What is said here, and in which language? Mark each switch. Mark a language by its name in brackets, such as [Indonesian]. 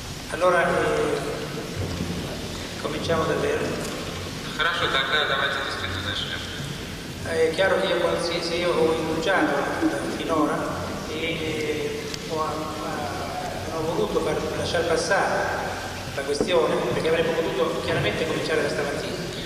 [Italian] Allora cominciamo davvero. [Russian] Хорошо, тогда давайте действительно начнем. [Italian] È chiaro che qualsiasi io ho indugiato finora e ho voluto per lasciar passare la questione perché avrei potuto chiaramente cominciare da stamattina.